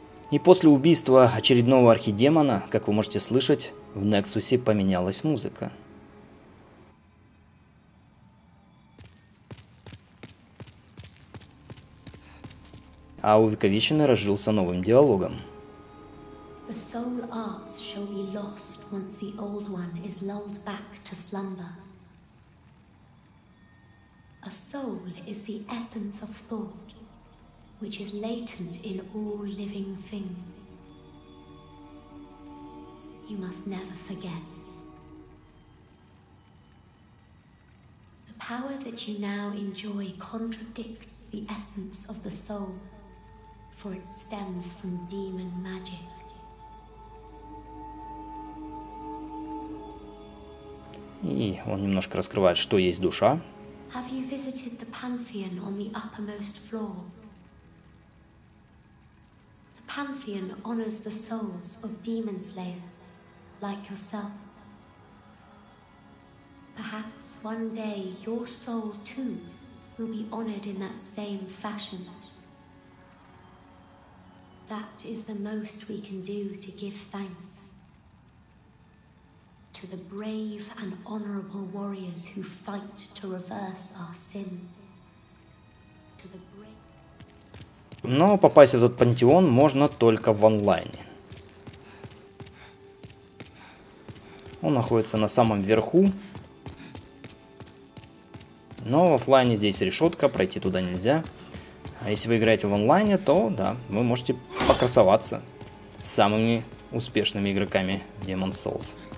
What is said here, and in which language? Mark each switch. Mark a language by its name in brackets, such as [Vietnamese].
[Russian] И после убийства очередного архидемона, как вы можете слышать, в Нексусе поменялась музыка. А увековеченный разжился новым диалогом. [English] The soul arts shall be lost once the old one is lulled back to slumber. A soul is the essence of thought, which is latent in all living things. You must never forget. The power that you now enjoy contradicts the essence of the soul, for it stems from demon magic. [Russian] И он немножко раскрывает, что есть душа. [English] Have you visited the Pantheon on the uppermost floor? Pantheon honors the souls of demon slayers, like yourself. Perhaps one day your soul too will be honored in that same fashion. That is the most we can do to give thanks to the brave and honorable warriors who fight to reverse our sins. To the brave. [Russian] Но попасть в этот пантеон можно только в онлайне. Он находится на самом верху. Но в офлайне здесь решетка, пройти туда нельзя. А если вы играете в онлайне, то да, вы можете покрасоваться самыми успешными игроками Demon's Souls.